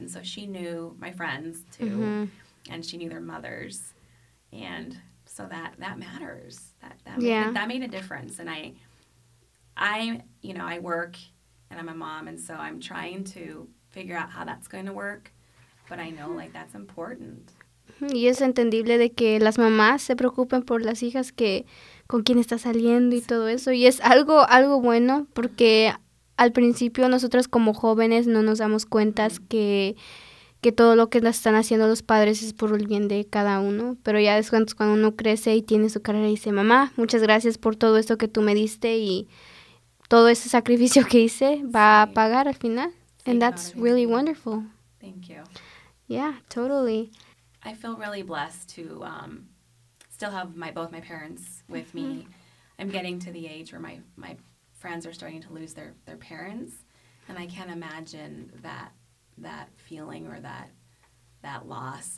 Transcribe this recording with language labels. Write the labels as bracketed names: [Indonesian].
[English] And so she knew my friends too. Mm-hmm. And she knew their mothers. And so that matters. That made a difference. And I work. And I'm a mom, and so I'm trying to figure out how that's going to work. But I know, like, that's important. [Spanish] Y es entendible de que las mamás se preocupen por las hijas que con quién está saliendo y todo eso. Y es algo bueno porque al principio nosotras como jóvenes no nos damos cuenta que todo lo que están haciendo los padres es por el bien de cada uno. Pero ya después cuando uno crece y tiene su carrera y dice, mamá, muchas gracias por todo esto que tú me diste y... todo ese sacrificio que hice va a pagar al final. [English] And that's really wonderful. Thank you. Yeah, totally. I feel really blessed to still have both my parents with me. I'm getting to the age where my friends are starting to lose their parents. And I can't imagine that feeling or that loss.